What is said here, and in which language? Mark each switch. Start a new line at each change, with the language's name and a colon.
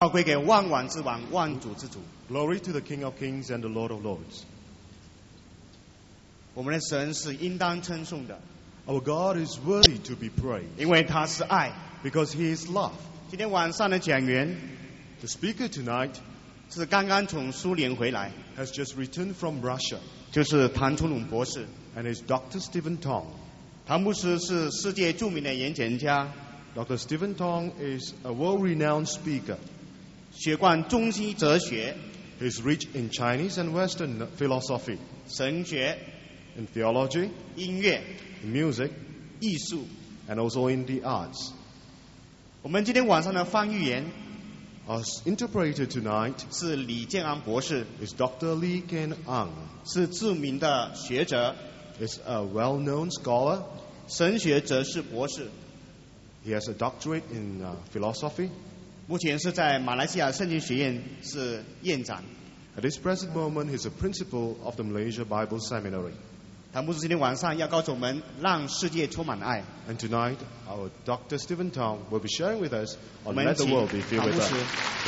Chinese: 要归给万王之王，万主之主。
English: Glory to the King of Kings and the Lord of Lords.
Chinese: 我们的神是应当称颂的。
English: Our God is worthy to be praised.
Chinese: 因为他是爱。
English: Because he is love.
Chinese: 今天晚上的讲员
English: ，the speaker tonight，
Chinese: 是刚刚从苏联回来
English: ，has just returned from Russia，
Chinese: 就是谭春龙博士
English: ，and is Dr. Stephen Tong.
Chinese: 谭牧师是世界著名的演讲家。
English: Dr. Stephen Tong is a world-renowned speaker.
Chinese: 学贯中西哲学
English: He's rich in Chinese and Western philosophy
Chinese: 神学
English: In theology
Chinese: 音乐
English: In music
Chinese: 艺术
English: And also in the arts
Chinese: 我们今天晚上的翻译员
English: Our interpreter tonight
Chinese: 是李建昂博士
English: Is Dr. Li Ken Ang
Chinese: 是著名的学者
English: Is a well-known scholar
Chinese: 神学哲士博士
English: He has a doctorate in philosophy
Chinese: 目前是在马来西亚圣经学院是院长。
English: At this present moment, he's a principal of the Malaysia Bible Seminary.
Chinese: 谭牧师今天晚上要告诉我们，让世界充满爱。
English: And tonight, our Dr. Stephen Tong will be sharing with us on Let the World Be Filled with Us.